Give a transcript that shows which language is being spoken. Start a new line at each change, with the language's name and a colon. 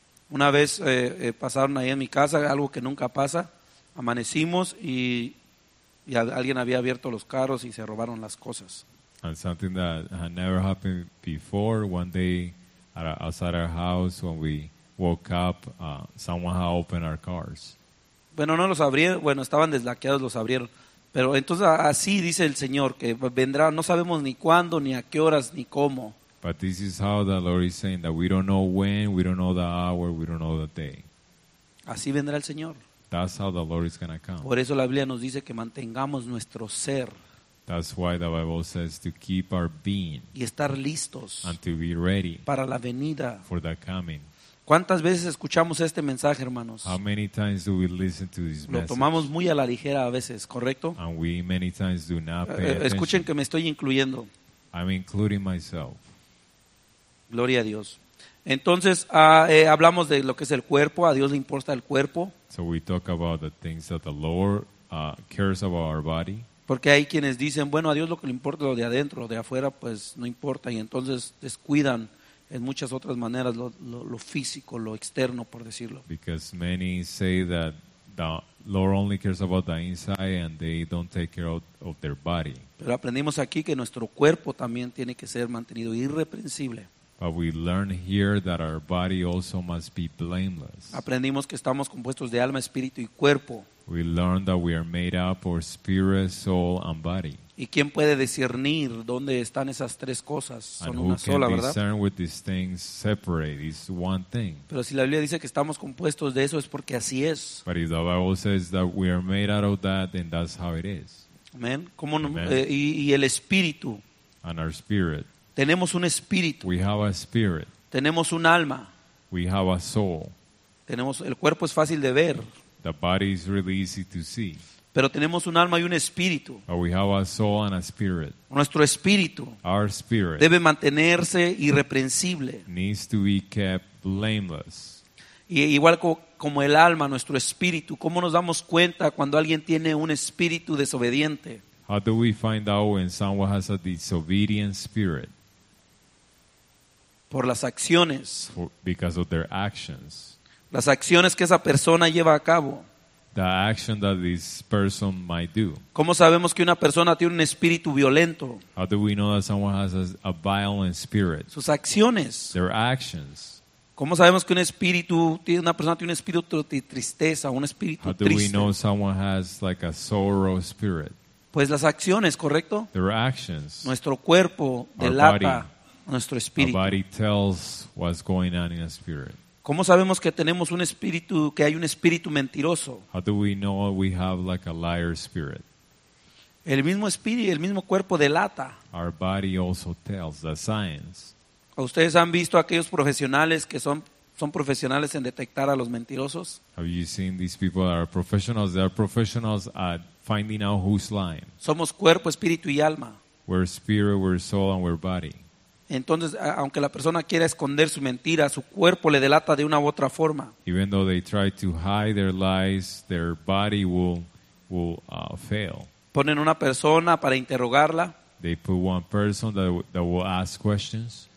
Spanish: Una vez pasaron ahí en mi casa, algo que nunca pasa. Amanecimos y alguien había abierto los carros y se robaron las cosas.
English: And something that had never happened before, one day outside our house, when we woke up, someone had opened our cars.
Spanish: Bueno, no los abrieron. Bueno, estaban deslaqueados, los abrieron. Pero entonces así dice el Señor, que vendrá. No sabemos ni cuándo, ni a qué horas, ni cómo.
English: But this is how the Lord is saying, that we don't know when, we don't know the hour, we don't know the day.
Spanish: Así vendrá el Señor.
English: That's how the Lord is going to come.
Spanish: Por eso la Biblia nos dice que mantengamos nuestro ser.
English: That's why the Bible says to keep our being
Spanish: y estar listos
English: and to be ready
Spanish: para la venida.
English: For the coming.
Spanish: ¿Cuántas veces escuchamos este mensaje, hermanos?
English: How many times do we listen to this message?
Spanish: Lo tomamos muy a la ligera a veces, ¿correcto?
English: And we many times do not pay attention.
Spanish: Escuchen que me estoy incluyendo.
English: I'm including myself.
Spanish: Gloria a Dios. Entonces, hablamos de lo que es el cuerpo. A Dios le importa el cuerpo.
English: So we talk about the things that the Lord cares about our body.
Spanish: Porque hay quienes dicen, bueno, a Dios lo que le importa es lo de adentro, lo de afuera, pues no importa. Y entonces descuidan en muchas otras maneras lo físico, lo externo, por decirlo.
English: Because many say that the Lord only cares about the inside and they don't take care of their body.
Spanish: Pero aprendimos aquí que nuestro cuerpo también tiene que ser mantenido irreprensible.
English: But we learn here that our body also must be blameless.
Spanish: Aprendimos que estamos compuestos de alma, espíritu y cuerpo.
English: We learn that we are made up of spirit, soul, and body.
Spanish: ¿Y quién puede discernir dónde están esas tres cosas? Son
English: and
Spanish: una sola, ¿verdad?
English: And who can discern with these things separate? It's one thing.
Spanish: Pero si la Biblia dice que estamos compuestos de eso, es porque así es.
English: But if the Bible says that we are made out of that, then that's how it is.
Spanish: Amen. ¿Cómo no? Amen. Y el espíritu.
English: And our spirit.
Spanish: Tenemos un espíritu.
English: We have a spirit.
Spanish: Tenemos un alma.
English: We have a soul.
Spanish: Tenemos el cuerpo es fácil de ver.
English: The body is really easy to see.
Spanish: Pero tenemos un alma y un espíritu.
English: But we have a soul and a spirit.
Spanish: Nuestro espíritu.
English: Our spirit.
Spanish: Debe mantenerse irreprensible.
English: Needs to be kept blameless.
Spanish: Y igual como el alma, nuestro espíritu, ¿cómo nos damos cuenta cuando alguien tiene un espíritu desobediente?
English: How do we find out when someone has a disobedient spirit?
Spanish: Por las acciones.
English: Because of their actions.
Spanish: Las acciones que esa persona lleva a cabo.
English: The action that this person might do.
Spanish: ¿Cómo sabemos que una persona tiene un espíritu violento?
English: How do we know that someone has a violent spirit?
Spanish: Sus acciones.
English: Their actions.
Spanish: ¿Cómo sabemos que una persona tiene un espíritu de tristeza, un espíritu triste?
English: How do we know someone has like a sorrow spirit?
Spanish: Pues las acciones, ¿correcto?
English: Their actions.
Spanish: Nuestro cuerpo delata nuestro espíritu.
English: Our body tells what's going on in a spirit.
Spanish: ¿Cómo sabemos que tenemos un espíritu, que hay un espíritu mentiroso?
English: How do we know we have like a liar spirit?
Spanish: El mismo espíritu, el mismo cuerpo delata.
English: Our body also tells the signs.
Spanish: ¿Ustedes han visto aquellos profesionales que son profesionales en detectar a los mentirosos?
English: Have you seen these people that are professionals? They are professionals at finding out who's lying.
Spanish: Somos cuerpo, espíritu y alma.
English: We're spirit, we're soul, and we're body.
Spanish: Entonces, aunque la persona quiera esconder su mentira, su cuerpo le delata de una u otra forma.
English: Even though they try to hide their lies, their body will fail.
Spanish: Ponen una persona para interrogarla.
English: They put one person that will ask questions.